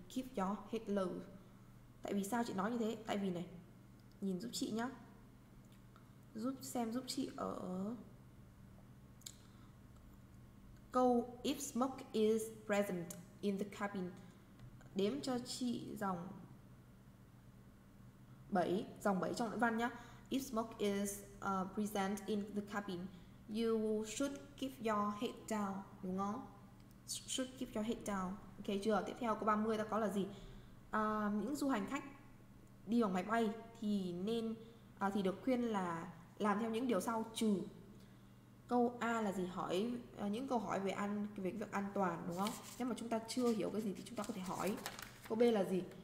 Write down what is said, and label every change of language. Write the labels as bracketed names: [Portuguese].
[English] Keep your head low. [Vietnamese] Tại vì sao chị nói như thế? Tại vì này, nhìn giúp chị nhá, giúp chị ở câu [English] if smoke is present in the cabin, [Vietnamese] đếm cho chị dòng 7 trong đoạn văn nhá. [English] If smoke is present in the cabin, you should keep your head down, [Vietnamese] đúng không? [English] Should keep your head down. [Vietnamese] Ok chưa? Tiếp theo câu 30 ta có là gì? Những du hành khách đi bằng máy bay thì nên thì được khuyên là làm theo những điều sau, trừ câu A là gì? Hỏi những câu hỏi về việc an toàn, đúng không? Nếu mà chúng ta chưa hiểu cái gì thì chúng ta có thể hỏi. Câu B là gì?